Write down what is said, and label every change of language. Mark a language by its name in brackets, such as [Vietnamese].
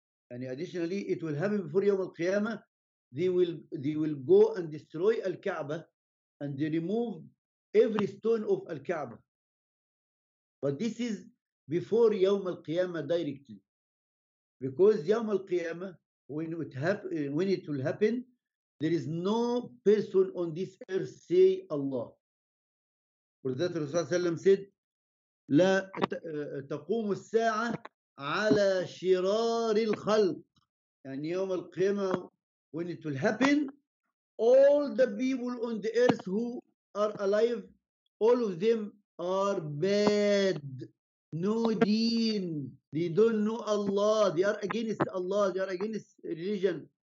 [English] And additionally, it will happen before Yawm al-Qiyamah. They will go and destroy Al-Kaaba and they remove every stone of Al-Kaaba. But this is before Yawm al-Qiyamah directly. Because Yawm al-Qiyamah, when it will happen, there is no person on this earth say Allah. For that, Rasulullah said, [Arabic] لا تقوم الساعة على شرار الخلق. يعني يوم القيامة, [English] when it will happen, all the people on the earth who are alive, all of them are bad. No deen. They don't know Allah. They are against Allah. They are against religion.